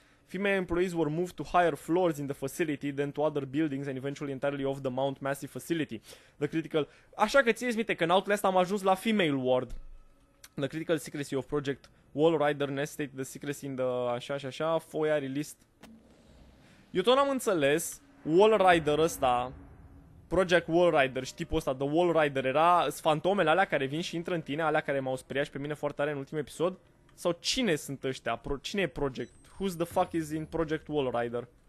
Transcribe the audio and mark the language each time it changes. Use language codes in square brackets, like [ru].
[en] Female employees were moved to higher floors in the facility than to other buildings and eventually entirely off the Mount Massey facility. The critical... [ro] Așa că țineți minte că în Outlast am ajuns la female ward. [en] The critical secrecy of Project Wall Rider Nest State, the secrecy in the... [ro] Așa și așa, FOIA released. Eu tot n-am înțeles, Wall Rider ăsta, Project Wall Rider și tipul ăsta, The Wall Rider, era fantomele alea care vin și intră în tine, alea care m-au speriat și pe mine foarte tare în ultimul episod? Sau cine sunt ăștia? Cine e Project? [en] Who the fuck is in Project Wall Rider?